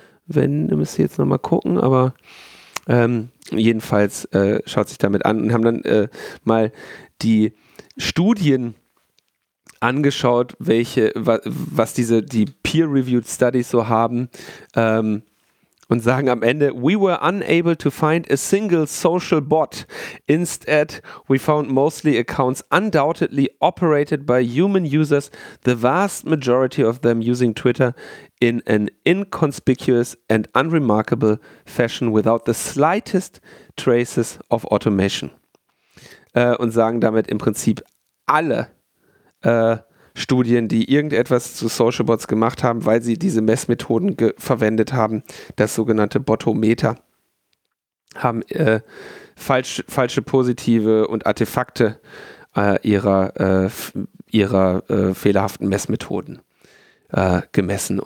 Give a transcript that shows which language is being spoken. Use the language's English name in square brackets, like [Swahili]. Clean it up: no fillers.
[German] Wenn, müsst ihr jetzt nochmal gucken, aber jedenfalls schaut sich damit an und haben dann mal die Studien angeschaut, was diese peer-reviewed Studies so haben und sagen am Ende, [English] we were unable to find a single social bot. Instead, we found mostly accounts undoubtedly operated by human users, the vast majority of them using Twitter in an inconspicuous and unremarkable fashion without the slightest traces of automation. [German] Und sagen damit im Prinzip alle Studien, die irgendetwas zu Social Bots gemacht haben, weil sie diese Messmethoden verwendet haben, das sogenannte Botometer, haben falsche Positive und Artefakte ihrer fehlerhaften Messmethoden gemessen.